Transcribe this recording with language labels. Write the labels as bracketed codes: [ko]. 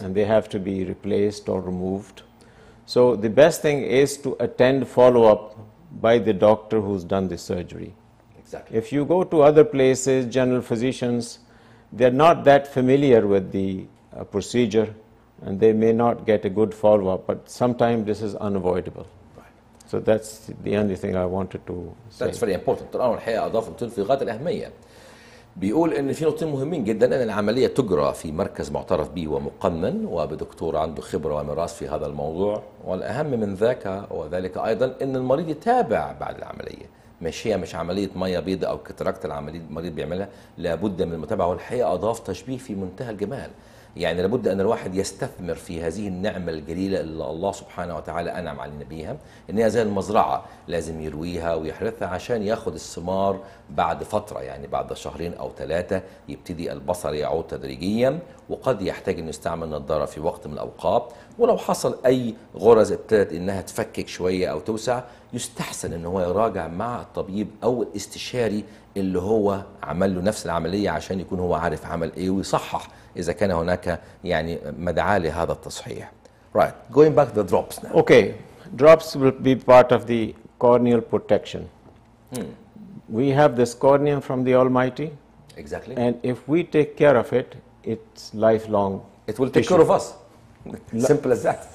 [en] And they have to be replaced or removed. So the best thing is to attend follow-up by the doctor who's done the surgery. Exactly. If you go to other places, general physicians, they're not that familiar with the procedure. And they may not get a good follow-up, but sometimes this is unavoidable. Right. So that's the only thing I wanted to say. That's very important. [ar] طبعا الحقيقة أضاف نقطتين في غاية الأهمية. بيقول إن في نقطتين مهمين جدا، إن العملية تجرى في مركز معترف به ومقنن وبدكتور عنده خبرة ومراس في هذا الموضوع، والأهم من ذاك وذلك أيضا إن المريض يتابع بعد العملية. مش هي مش عملية مية بيضة أو كتراكت العملية المريض بيعملها، لابد من المتابعة. والحقيقة أضاف تشبيه في منتهى الجمال. يعني لابد ان الواحد يستثمر في هذه النعمه الجليله اللي الله سبحانه وتعالى انعم علينا بيها، ان هي زي المزرعه لازم يرويها ويحرثها عشان ياخد الثمار بعد فتره، يعني بعد شهرين او ثلاثه يبتدي البصر يعود تدريجيا، وقد يحتاج انه يستعمل نظاره في وقت من الاوقات، ولو حصل اي غرز ابتدت انها تفكك شويه او توسع يستحسن ان هو يراجع مع الطبيب او الاستشاري اللي هو عمل له نفس العمليه عشان يكون هو عارف عمل ايه ويصحح إذا كان هناك يعني مدعاة لهذا التصحيح. [en] Right. Going back to the drops now. Okay. Drops will be part of the corneal protection. Hmm. We have this cornea from the Almighty. Exactly. And if we take care of it, it's lifelong. It will take care of us. Simple as that.